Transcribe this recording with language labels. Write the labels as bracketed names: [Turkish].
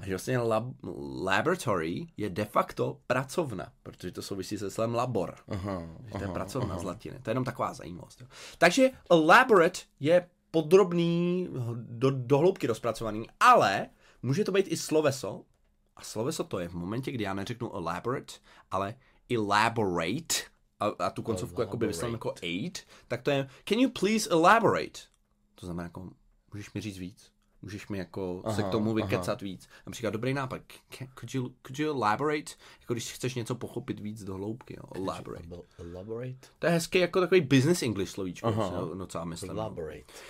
[Czech] A že vlastně laboratory je de facto pracovna, protože to souvisí se slovem labor. Uh-huh. Že to je pracovna z latiny. To je jenom taková zajímavost. Jo. Takže elaborate je podrobný, do hloubky rozpracovaný, ale může to být i sloveso. A sloveso to je v momentě, kdy já neřeknu elaborate, ale elaborate. A tu koncovku jakoby vyslám jako eight. Tak to je, [English] can you please elaborate? [Czech] To znamená jako, můžeš mi říct víc? Můžeš mi jako se k tomu vykecat víc? Například, dobrý nápad. [English] Could you elaborate? [Czech] Jako když chceš něco pochopit víc do hloubky. Jo? Elaborate. [English] Elaborate? [Czech] To je hezky jako takový business English slovíčko. No co já myslím. [English] Elaborate.